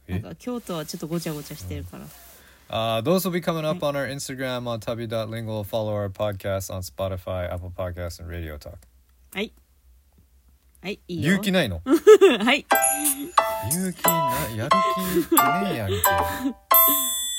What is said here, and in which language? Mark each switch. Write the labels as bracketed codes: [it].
[ja] すっごい腰曲がってたけどね。自転車出してきてくれて。めっちゃ曲がって90度曲がってたよね。ねえ、でも働いてんだよ、まだ。働いてる。本当にすごい。いや、でも滋賀楽しかったね。うん。うん。いい街でした。綺麗だった。すごい綺麗。田舎がいいっすよ。うん。京都よりいいと思うけど。え?なんか京都はちょっとごちゃごちゃしてるから。 [en] Those will be coming up on our Instagram on tabi.lingual. Follow our podcast on Spotify, Apple Podcasts, and Radio Talk. [ja] はい。はい、いいよ。勇気ないの? はい。勇気ない、やる気ないやる気。